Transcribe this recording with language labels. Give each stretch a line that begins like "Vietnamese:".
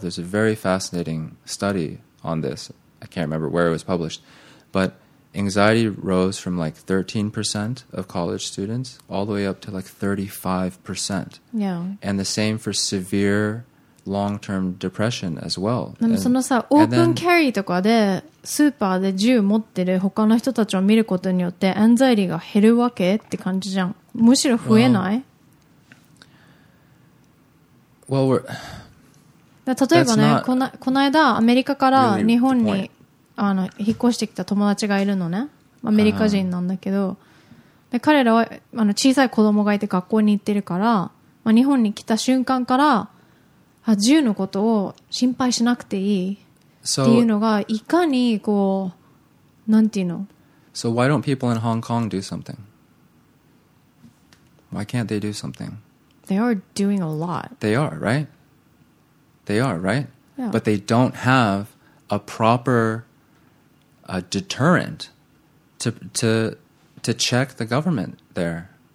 English: There's a very fascinating study on this. I can't remember where it was published. But anxiety rose from like 13% of college students all the way up to like 35%. Yeah. And the same for severe long-term depression as well.
Japanese: でもそのさ、オープンキャリーとかでスーパーで銃持ってる他の人たちを見ることによって、アンザイティが減るわけって感じじゃん。むしろ増えない。
English: Well, we're...
Japanese: 例えばね、この間アメリカから日本に、
English: really、
Japanese: 引っ越してきた友達がいるのね。アメリカ人なんだけど、で彼らは小さい子供がいて学校に行ってるから、まあ、日本に来た瞬間から銃のことを心配しなくていいっていうのがいかにこうなんていうの。
English: So why don't people in Hong Kong do something? Why can't they do something? They are doing a lot. They are, right? They are, right? Yeah. But they don't have a proper deterrent to check the government there.